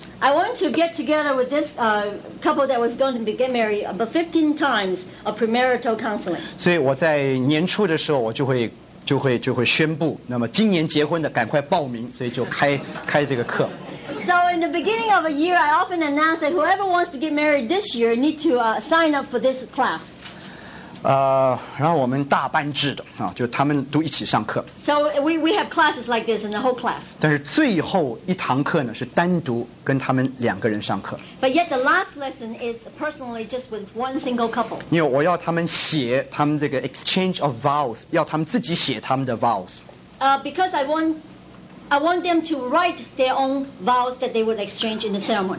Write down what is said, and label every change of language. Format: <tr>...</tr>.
<en>I want to get together with this couple that was going to get married about 15 times of premarital counseling.</en> <zh>所以我在年初的时候，我就会宣布，那么今年结婚的赶快报名，所以就开这个课。</zh> <en>So in the beginning of a year, I often announce that whoever wants to get married this year need to sign up for this class.</en> <zh>然后我们大班制的啊，就他们都一起上课。</zh> <en>So we have classes like this in the whole class.</en> <zh>但是最后一堂课呢，是单独跟他们两个人上课。</zh> <en>But yet the last lesson is personally just with one single couple.</en> <zh>因为我要他们写他们这个</zh> <en>exchange of vows，</en> <zh>要他们自己写他们的 vows。</zh> <en>Because I want them to write their own vows that they would exchange in the ceremony.</en>